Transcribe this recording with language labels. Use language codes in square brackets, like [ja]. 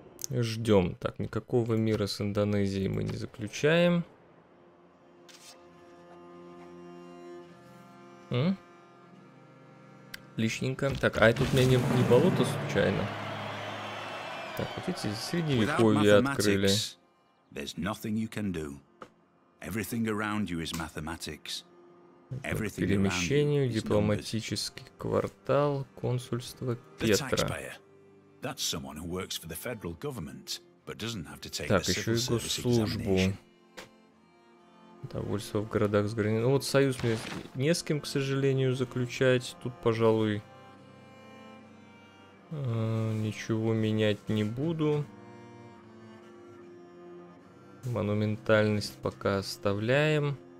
[ru] Ждем. Так, никакого мира с Индонезией мы не заключаем. Лишненько. Так, а тут у меня не болото случайно? Так, вот эти средневековье открыли. [en] There's nothing you can do. Everything around you is mathematics. Everything around you is numbers. [ru] Дипломатический квартал, консульство Петра. [en] That's someone who works for the federal government, but doesn't have to take the civil service examination. [ru] Довольство в городах с границей. Ну вот союз мне не с кем, к сожалению, заключать. Тут, пожалуй, ничего менять не буду. Монументальность пока оставляем.